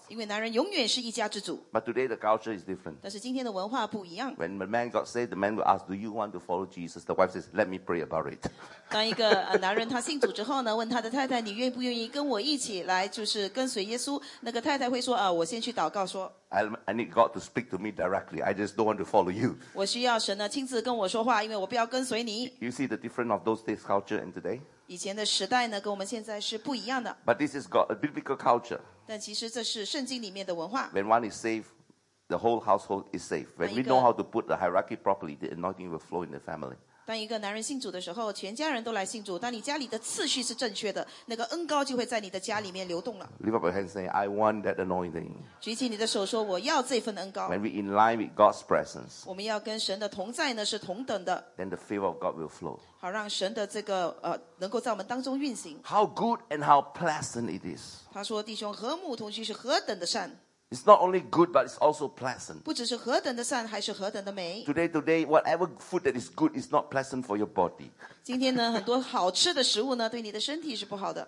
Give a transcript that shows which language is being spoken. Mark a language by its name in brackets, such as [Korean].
[Chinese] 因为男人永远是一家之主。 [English] But today the culture is different. [Chinese] 但是今天的文化不一样。 [English] When the man got saved, the man will ask, do you want to follow Jesus? The wife says, let me pray about it. [Chinese] 当一个男人他信主之后呢，问他的太太，你愿不愿意跟我一起来，就是跟随耶稣？那个太太会说啊，我先去祷告说。 [English] I need God to speak to me directly. I just don't want to follow you. [Chinese] 我需要神呢亲自跟我说话，因为我不要跟随你。 [English] You see the difference of those days culture and today? [Chinese] 以前的时代呢，跟我们现在是不一样的。 [English] But this is a biblical culture. [Chinese] 但其实这是圣经里面的文化。 [English] When one is saved, the whole household is saved. When we know how to put the hierarchy properly, the anointing will flow in the family. [Chinese] 当一个男人信主的时候，全家人都来信主。当你家里的次序是正确的，那个恩膏就会在你的家里面流动了。 [English] Lift up your hands and say, I want that anointing. [Chinese] 举起你的手说，我要这份恩膏。 [English] When we in line with God's presence, [Chinese] 我们要跟神的同在呢是同等的。 [English] Then the favor of God will flow. [Chinese] 好让神的这个能够在我们当中运行。 [English] How good and how pleasant it is. [Chinese] 他说，弟兄和睦同居是何等的善。 [English] It's not only good, but it's also pleasant. [Chinese] 不只是何等的善，还是何等的美。 [English] Today, whatever food that is good is not pleasant for your body. [Chinese] 今天呢，很多好吃的食物呢，对你的身体是不好的。